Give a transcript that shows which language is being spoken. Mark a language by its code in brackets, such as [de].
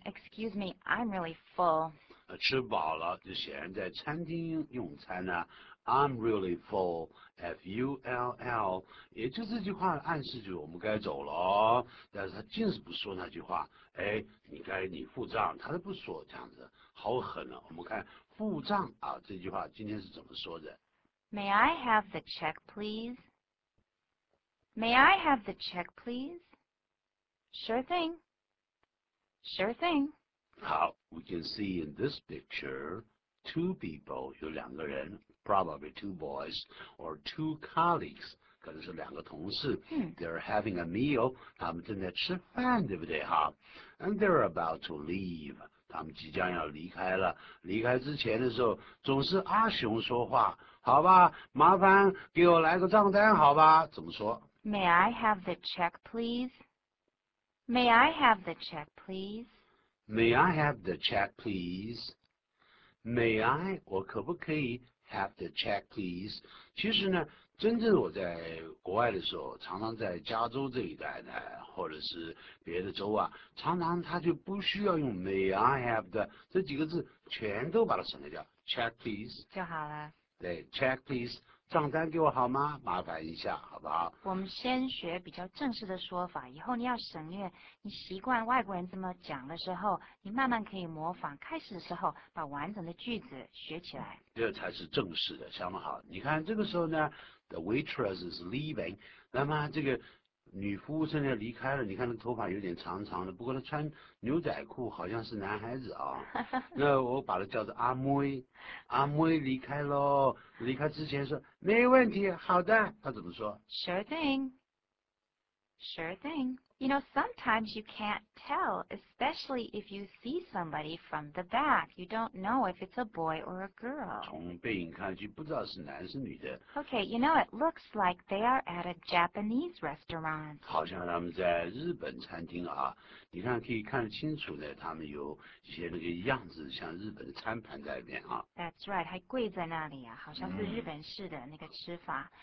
[en] Excuse me, I'm really full. [zh] 吃饱了，就显然在餐厅用餐呢。 [en] I'm really full, F-U-L-L, [zh] 也就这句话暗示就我们该走了，但是他竟是不说那句话，哎，你该你付账，他都不说这样子，好狠啊。我们看付账啊，这句话今天是怎么说的。 [en] May I have the check, please? May I have the check, please? Sure thing. Sure thing. 好 ,we can see in this picture, two people, [zh] 有两个人。 [en] Probably two boys or two colleagues, [zh] 可能是两个同事、 hmm. [en] They're having a meal, [zh] 他们正在吃饭对不对哈 [en] And they're about to leave, [zh] 他们即将要离开了离开之前的时候总是阿雄说话好吧麻烦给我来个账单好吧怎么说 [en] May I have the check please? May I have the check please? May I have the check please? May I, [zh] 我可不可以 [en] Have the check, please. [zh] 其实呢，真正我在国外的时候，常常在加州这一带呢，或者是别的州啊，常常他就不需要用 [en] May I have the [zh] 这几个字，全都把它省略掉 ， [en] check please [zh] 就好了。对 ， [en] check please， [zh] 账单给我好吗？麻烦一下，好不好？我们先学比较正式的说法，以后你要省略，你习惯外国人这么讲的时候，你慢慢可以模仿。开始的时候，把完整的句子学起来。这才是正式的，相当好。你看这个时候呢 ， [en] the waitress is leaving， [zh] 那么这个女服务生要离开了。你看那头发有点长长的，不过她穿牛仔裤，好像是男孩子啊、哦。那我把她叫做阿妹，阿妹离开喽。离开之前说没问题，好的。她怎么说 [en] ？Sure thing. Sure thing. You know, sometimes you can't tell, especially if you see somebody from the back. You don't know if it's a boy or a girl. [zh] 从背影看去，不知道是男是女的。 [en] Okay, you know, it looks like they are at a Japanese restaurant. [zh] 好像他们在日本餐厅啊。你看，可以看得清楚呢，他们有一些那个样子，像日本的餐盘在里面啊。 [en] That's right, [zh] 还跪在那里啊，好像是日本式的那个吃法。